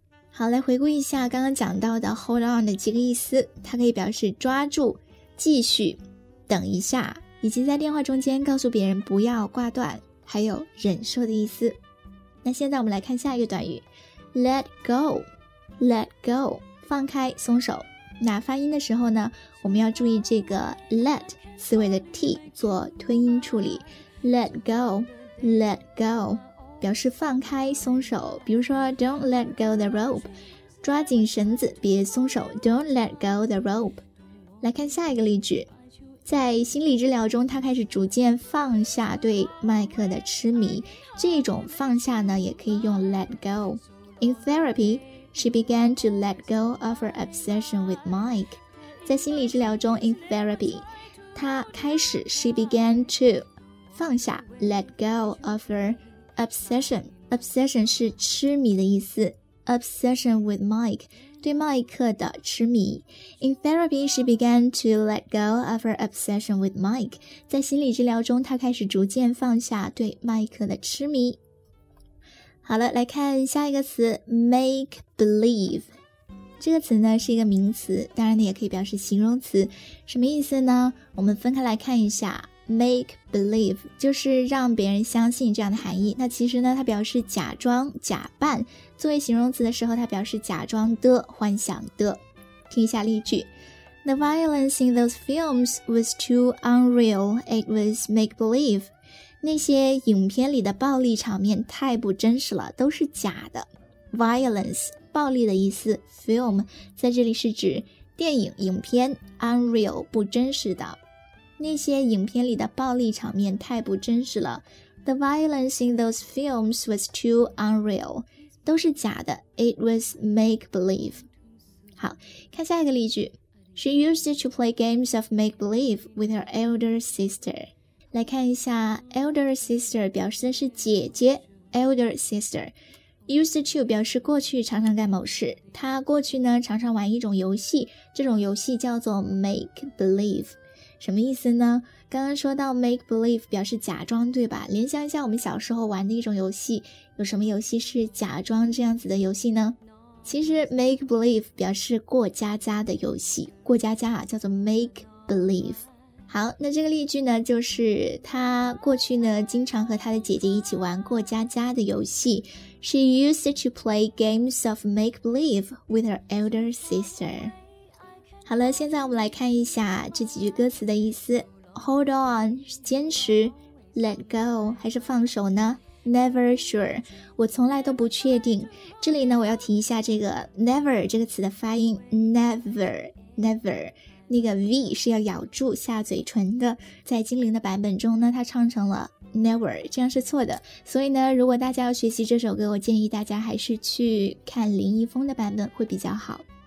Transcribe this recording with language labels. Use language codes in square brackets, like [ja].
[zh] 好，来回顾一下刚刚讲到的 hold on 的几个意思，它可以表示抓住、继续、等一下，以及在电话中间告诉别人不要挂断，还有忍受的意思。那现在我们来看下一个短语， Let go， Let go， 放开松手。那发音的时候呢，我们要注意这个 let 词尾的 t 做吞音处理， Let go， Let go，表示放开松手，比如说 [en] Don't let go the rope， [zh] 抓紧绳子别松手， [en] Don't let go the rope。 [zh] 来看下一个例句，在心理治疗中他开始逐渐放下对麦克的痴迷，这种放下呢也可以用 let go。 [en] In therapy she began to let go of her obsession with Mike。 [zh] 在心理治疗中 in therapy 他开始 [en] she began to [zh] 放下 [en] let go of her obsession， [zh] obsession 是痴迷的意思， [en] obsession with Mike [zh] 对麦克的痴迷。 [en] In therapy she began to let go of her obsession with Mike， [zh] 在心理治疗中她开始逐渐放下对麦克的痴迷。好了，来看下一个词， make believe。这个词呢是一个名词，当然呢也可以表示形容词。什么意思呢？我们分开来看一下。make believe 就是让别人相信这样的含义。那其实呢它表示假装假扮，作为形容词的时候它表示假装的幻想的。 [en] 听一下例句， The violence in those films was too unreal, it was make believe。 [zh] 那些影片里的暴力场面太不真实了，都是假的。 violence 暴力的意思， film 在这里是指电影影片， unreal 不真实的。那些影片里的暴力场面太不真实了， [en] The violence in those films was too unreal， [zh] 都是假的， [en] It was make-believe。 [zh] 好，看下一个例句， [en] She used to play games of make-believe with her elder sister。 [zh] 来看一下 elder sister 表示的是姐姐， elder sister。 Used to 表示过去常常干某事，她过去呢常常玩一种游戏，这种游戏叫做 make-believe。什么意思呢？刚刚说到 make-believe 表示假装，对吧？联想一下我们小时候玩的一种游戏，有什么游戏是假装这样子的游戏呢？其实 make believe 表示过家家的游戏，过家家啊叫做 make believe。好，那这个例句呢就是他过去呢经常和他的姐姐一起玩过家家的游戏， [en] She used to play games of make believe with her elder sister。 [zh] 好了，现在我们来看一下这几句歌词的意思。 Hold on 坚持， Let go 还是放手呢？ Never sure， 我从来都不确定。这里呢我要提一下这个 never 这个词的发音， never never 那个 V 是要咬住下嘴唇的，在精灵的版本中呢它唱成了 never， 这样是错的。所以呢如果大家要学习这首歌，我建议大家还是去看林一峰的版本会比较好。